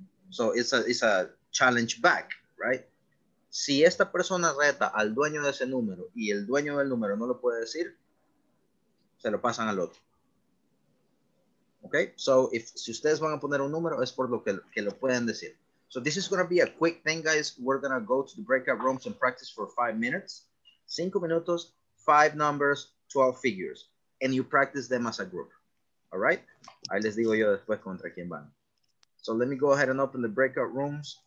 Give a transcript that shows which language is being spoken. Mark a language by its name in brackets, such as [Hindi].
[English] So, it's a challenge back, right? [Spanish] Si esta persona reta al dueño de ese número y el dueño del número no lo puede decir, se lo pasan al otro. [English] Okay, so if [Spanish] si ustedes van a poner un número, es por lo que lo pueden decir. [English] So this is going to be a quick thing, guys. We're going to go to the breakout rooms and practice for 5 minutes. 5 minutos, 5 numbers, 12 figures. And you practice them as a group. All right? [Spanish] Ahí les digo yo después contra quién van. [English] So let me go ahead and open the breakout rooms.